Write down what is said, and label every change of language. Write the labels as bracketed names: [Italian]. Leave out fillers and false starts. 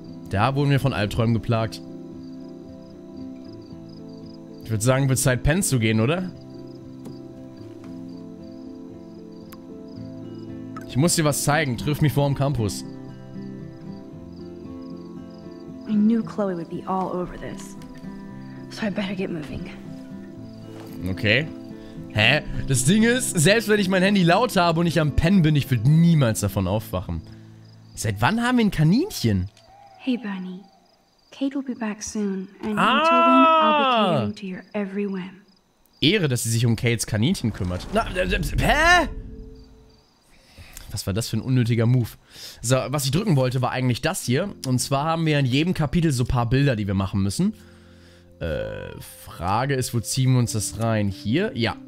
[German] Da wurden wir von Albträumen geplagt. Ich würde sagen, wird Zeit, pennen zu gehen, oder? Ich muss dir was zeigen. Triff mich vor dem Campus. [English] I knew Chloe would be all over this. So I better get moving. [German] Okay. Hä? Das Ding ist, selbst wenn ich mein Handy laut habe und ich am Pennen bin, ich würde niemals davon aufwachen. Seit wann haben wir ein Kaninchen? [English] Hey Bernie, Kate Kate will be back soon, and until then, I'll be catering to your every whim. [German] Ehre, dass sie sich um Kates Kaninchen kümmert. Na, hä? Was war das für ein unnötiger Move? So, was ich drücken wollte, war eigentlich das hier. Und zwar haben wir in jedem Kapitel so ein paar Bilder, die wir machen müssen. Frage ist, wo ziehen wir uns das rein? Hier? Ja.